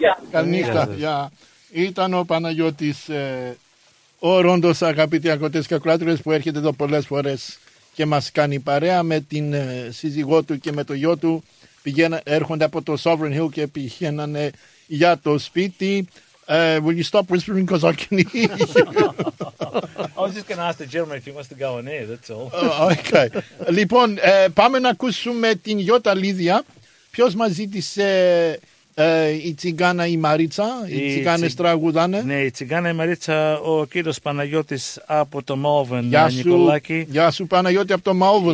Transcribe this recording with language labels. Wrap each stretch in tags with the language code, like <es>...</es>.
<el>Καληνύχτα. Γεια. Ήταν ο Παναγιώτης, ο Ρόντος, αγαπητοί ακροατές και ακροάτριες, που έρχεται εδώ πολλές φορές και μας κάνει παρέα με την σύζυγό του και με το γιο του. Έρχονται από το Sovereign Hill και πηγαίνανε για το σπίτι.</el> <en>Will you stop whispering because I can hear I was just going to ask the gentleman if he wants to go on air, that's all. Okay.</en> <el>Λοιπόν, πάμε να ακούσουμε την Γιώτα Λίδια. Ποιος μας ζήτησε η Τσιγκάνα η Μαρίτσα, οι Τσιγκάνες τραγουδάνε. Ναι, η Τσιγκάνα η Μαρίτσα, ο κύριος Παναγιώτης από το Μόβεν, Νικολάκη. Γεια σου Παναγιώτη από το Μόβεν.</el>